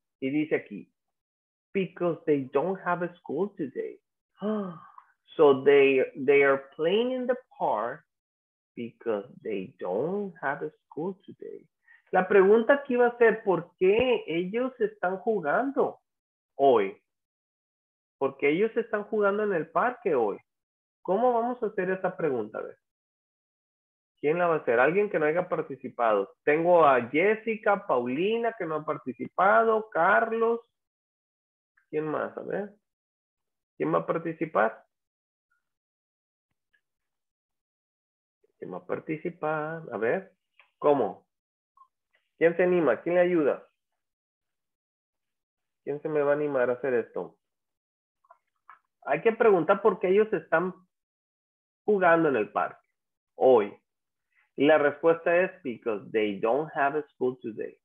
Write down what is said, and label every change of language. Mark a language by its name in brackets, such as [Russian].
[Spanish] Y dice aquí, [English] because they don't have a school today. So they are playing in the park because they don't have a school today. [Spanish] La pregunta aquí va a ser, ¿por qué ellos están jugando hoy? ¿Por qué ellos están jugando en el parque hoy? ¿Cómo vamos a hacer esa pregunta? A ver. ¿Quién la va a hacer? Alguien que no haya participado. Tengo a Jessica, Paulina, que no ha participado, Carlos. ¿Quién más? A ver. ¿Quién va a participar? ¿Quién va a participar? A ver. ¿Cómo? ¿Quién se anima? ¿Quién le ayuda? ¿Quién se me va a animar a hacer esto? Hay que preguntar por qué ellos están jugando en el parque hoy. Y la respuesta es [English] because they don't have a school today.